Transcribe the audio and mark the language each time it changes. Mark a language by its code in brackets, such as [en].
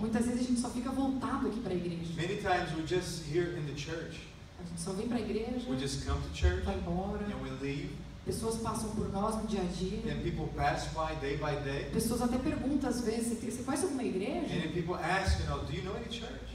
[pt] Muitas vezes a gente só fica voltado aqui para a igreja. [en] Many times we're just here in the church. [pt] A gente só vem para a igreja. [en] We just come to church. [pt] Vai embora. [en] And we leave. [pt] Pessoas passam por nós no dia a dia. [en] And people pass by day. [pt] Pessoas até perguntam às vezes, você conhece alguma igreja? [en] And people ask, you know, do you know any church?